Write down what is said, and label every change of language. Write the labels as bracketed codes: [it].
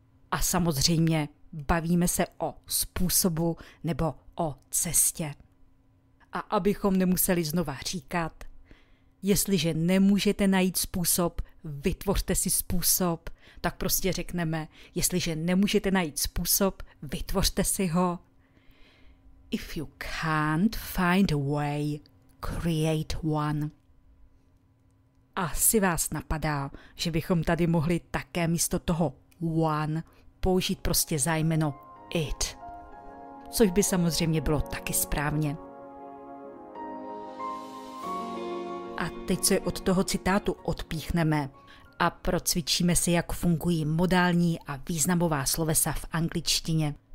[cs] A samozřejmě bavíme se o způsobu nebo o cestě. A abychom nemuseli znova říkat, jestliže nemůžete najít způsob, vytvořte si způsob, tak prostě řekneme, jestliže nemůžete najít způsob, vytvořte si ho. [en] If you can't find a way, create one. [cs] Asi vás napadá, že bychom tady mohli také místo toho one použít prostě zájmeno it. Což by samozřejmě bylo taky správně. A teď se od toho citátu odpíchneme a procvičíme si, jak fungují modální a významová slovesa v angličtině.